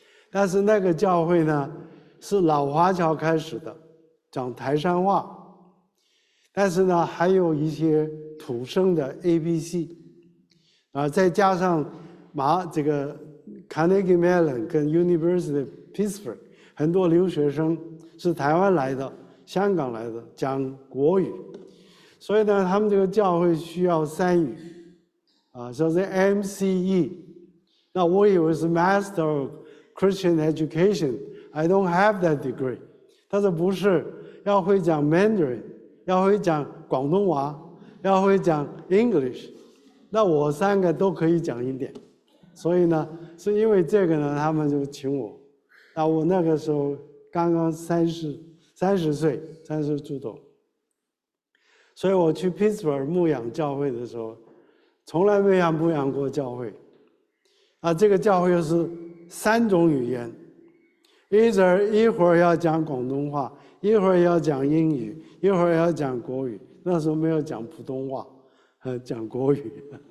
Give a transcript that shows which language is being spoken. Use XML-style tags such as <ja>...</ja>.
<zh>但是那个教会呢，是老华侨开始的，讲台山话，但是呢还有一些土生的 ABC， 再加上这个 Carnegie Mellon 跟 University of Pittsburgh 很多留学生是台湾来的，香港来的，讲国语，所以呢他们这个教会需要3语叫做 MCE。那我以为是</zh> <en>Master of Christian Education， I don't have that degree。</en> <zh>他说不是，要会讲 Mandarin， 要会讲广东话，要会讲 English， 那我3个都可以讲一点。所以呢是因为这个呢他们就请我，那我那个时候刚刚三十岁，30出头，所以我去 Pittsburgh 牧养教会的时候从来没有牧养过教会，这个教会又是3种语言，一会儿要讲广东话，一会儿要讲英语，一会儿要讲国语，那时候没有讲普通话，讲国语。</zh>